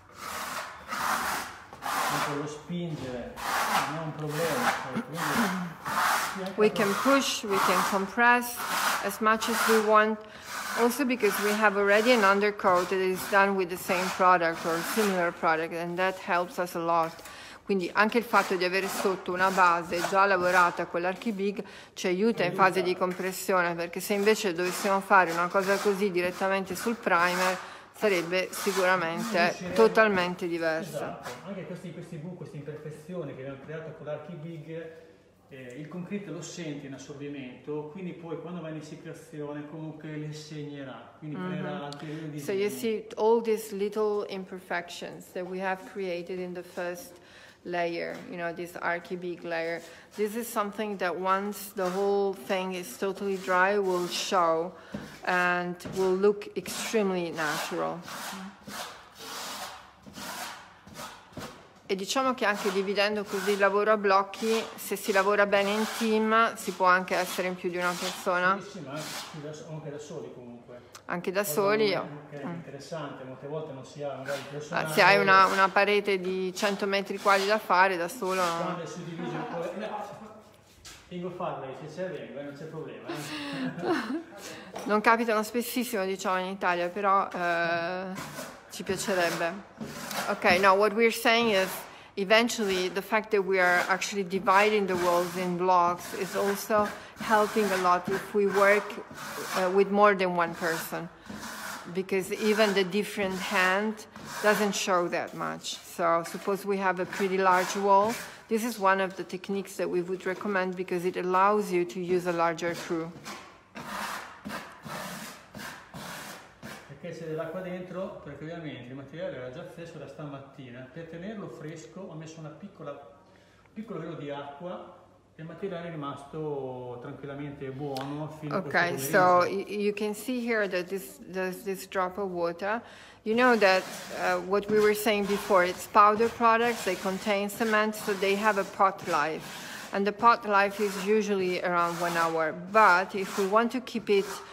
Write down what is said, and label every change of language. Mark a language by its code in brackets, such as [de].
[it] se lo spingere non è un problema. [en] We can push, we can compress as much as we want, also because we have already an undercoat that is done with the same product or similar product, and that helps us a lot. [it] Quindi anche il fatto di avere sotto una base già lavorata con l'Archibig ci aiuta in fase di compressione, perché se invece dovessimo fare una cosa così direttamente sul primer sarebbe sicuramente totalmente diversa. Esatto. Anche questi buchi, queste imperfezioni che abbiamo creato con l'Archibig, il concreto lo sente in assorbimento, quindi poi quando va in essiccazione comunque le segnerà, quindi creerà anche il disegno. [en] So you see all these little imperfections that we have created in the first layer, you know, this Archibig layer. This is something that once the whole thing is totally dry will show and will look extremely natural. [it] E diciamo che anche dividendo così il lavoro a blocchi, se si lavora bene in team, si può anche essere in più di una persona. Sì, ma anche da soli comunque. Anche da soli. Che è interessante, molte volte non si ha magari il personale. Ma se hai una parete di 100 metri quadri da fare, da solo... Quando è suddiviso un po'... Vengo a farle, se ci arrivo, non c'è problema. Non capitano spessissimo, diciamo, in Italia, però... ci piacerebbe. [en] Okay, now what we're saying is eventually the fact that we are actually dividing the walls in blocks is also helping a lot if we work with more than one person, because even the different hand doesn't show that much. So suppose we have a pretty large wall, this is one of the techniques that we would recommend because it allows you to use a larger crew. [it] Che c'è dell'acqua dentro, perché ovviamente il materiale era già fresco da stamattina. Per tenerlo fresco ho messo una piccola velo di acqua e il materiale è rimasto tranquillamente buono fino a questo [en] Ok, so you can see here that this drop of water, you know that what we were saying before, it's powder products, they contain cement, so they have a pot life, and the pot life is usually around 1 hour, but if we want to keep it